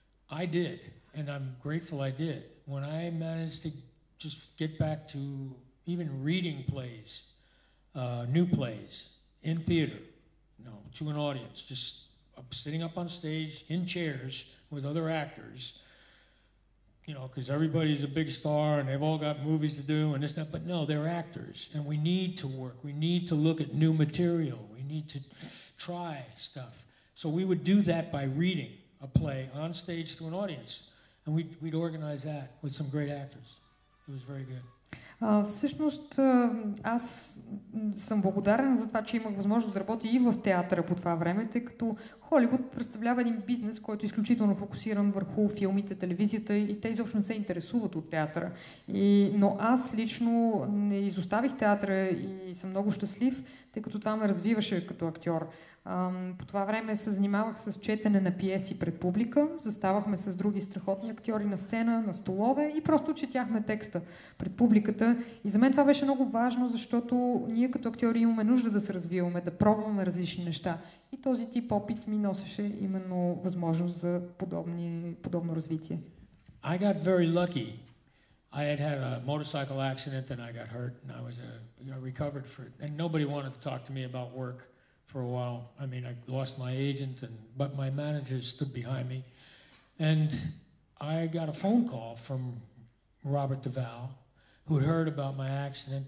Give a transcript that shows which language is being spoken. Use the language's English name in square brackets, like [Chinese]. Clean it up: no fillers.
[English] I did, and I'm grateful I did. When I managed to just get back to even reading plays, new plays, in theater, you know, to an audience, just sitting up on stage in chairs with other actors, you know, because everybody's a big star and they've all got movies to do and this and that, but no, they're actors, and we need to work. We need to look at new material. We need to try stuff. So we would do that by reading a play on stage to an audience, and we'd organize that with some great actors. It was very good. [Bulgarian] Всъщност аз съм благодарен за това, че имах възможност да работя и в театъра по това време, тъй като Холивуд представлява един бизнес, който е изключително фокусиран върху филмите, телевизията и те изобщо не се интересуват от театъра. Но аз лично не изоставих театъра и съм много щастлив, тъй като това ме развиваше като актьор. По това време се занимавах с четене на пиеси пред публика, заставахме с други страхотни актьори на сцена, на столове и просто четяхме текста пред публиката. И за мен това беше много важно, защото ние като актьори имаме нужда да се развиваме, да пробваме различни неща. И този тип опит ми носеше именно възможност за подобно развитие. [English] I got very lucky. I had had a motorcycle accident and I got hurt and I was recovered for it. And nobody wanted to talk to me about work. For a while, I mean, I lost my agent, but my manager stood behind me, and I got a phone call from Robert Duvall, who had heard about my accident.